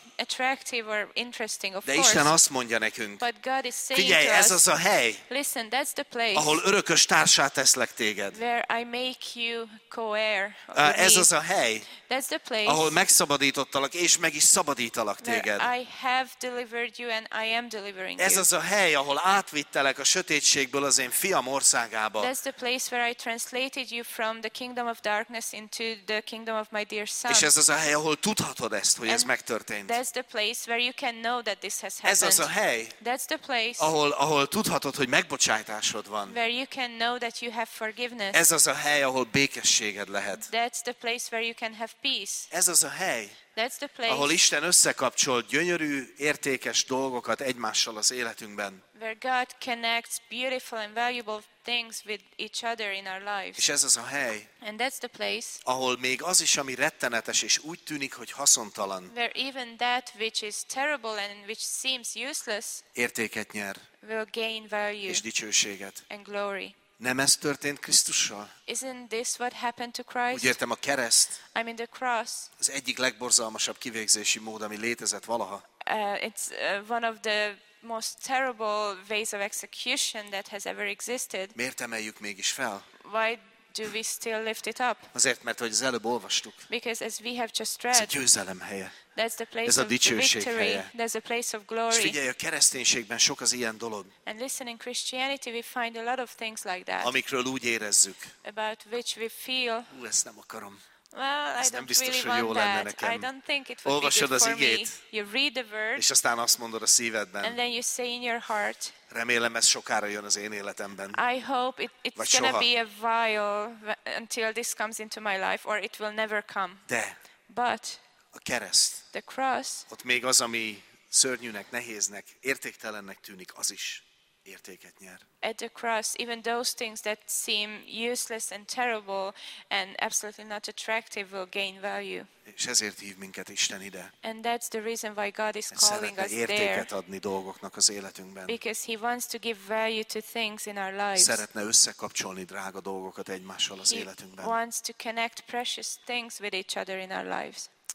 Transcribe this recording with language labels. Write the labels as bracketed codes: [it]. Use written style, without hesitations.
[en] attractive or interesting, of [hu] de [en] course. [hu] Isten azt mondja nekünk. [en] But God is saying [hu] figyelj, [en] to [hu] ez [en] us, [hu] az a hely. [en] Listen, that's the place. [hu] Ahol örökös társát teszlek téged. [en] Where I make you co-heir. [hu] Ez az a hely. [en] That's the place. [hu] Ahol megszabadítottalak és meg is szabadítalak téged. [en] Where I have delivered you and I am delivering you. [hu] Ez az a hely, ahol átvittelek a sötétségből az én fiam országába. [en] That's the place where I translated you from the kingdom of darkness into the kingdom of my dear son. [hu] És ez az a hely, ahol tudhatod ezt, hogy ez megtörtént. [en] That's the place where you can know that this has happened. [hu] Ez az a hely. [en] That's the place. [hu] Ahol tudhatod, hogy megbocsátottak. megbocsátásod van. [en] Where you can know that you have forgiveness. [hu] Ez az a hely, ahol békességed lehet. [en] That's the place where you can have peace. [hu] Ez az a hely. [en] That's the place. [hu] Ahol Isten összekapcsol gyönyörű, értékes dolgokat egymással az életünkben. [en] Where God connects beautiful and valuable things with each other in our lives. [hu] És ez az a hely. [en] And that's the place. [hu] Ahol még az is, ami rettenetes és úgy tűnik, hogy haszontalan. [en] Where even that which is terrible and which seems useless. [hu] Értéket nyer. [en] Will gain value. [hu] És dicsőséget. [en] And glory. [hu] Nem ez történt Krisztussal? [en] Isn't this what happened to Christ? [hu] Úgy értem, a kereszt. [en] I mean the cross. [hu] Az egyik legborzalmasabb kivégzési mód, ami létezett valaha. [en] It's one of the most terrible ways of execution that has ever existed. [hu] Miért emeljük mégis fel? [en] Why do we still lift it up? [hu] Azért, mert hogy az előbb olvastuk. [en] Because as we have just read. [hu] Ez a győzelem helye. [en] That's the place [hu] ez a dicsőség [en] of victory. There's a place of glory. [hu] És figyelj, a kereszténységben sok az ilyen dolog. [en] And listen, in Christianity we find a lot of things like that. [hu] Amikről úgy érezzük. [en] About which we feel. [hu] Ezt nem akarom. [en] Well, [hu] ez [en] I don't [hu] nem biztos, [en] really [hu] hogy jó [en] want [hu] lenne [en] that. [hu] Nekem. [en] I don't think it would [hu] olvasod [en] be good for [hu] igét, [en] me. You read the word. [hu] És aztán azt mondod a szívedben. [en] And then you say in your heart. [hu] Remélem, ez sokára jön az én életemben. [en] I hope it's gonna be a while until this comes into my life, or it will never come. [hu] De. [en] But. [hu] A kereszt. [en] The cross. [hu] Ott még az, ami szörnyűnek, nehéznek, értéktelennek tűnik, az is értéket nyer. [en] At the cross, even those things that seem useless and terrible and absolutely not attractive will gain value. [hu] És ezért hív minket Isten ide. [en] And that's the reason why God is calling us there. [hu] Szeretne értéket adni dolgoknak az életünkben. [en] Because he wants to give value to things in our lives. [hu] Szeretne összekapcsolni drága dolgokat egymással az életünkben. [en] He wants to connect precious things with each other in our lives.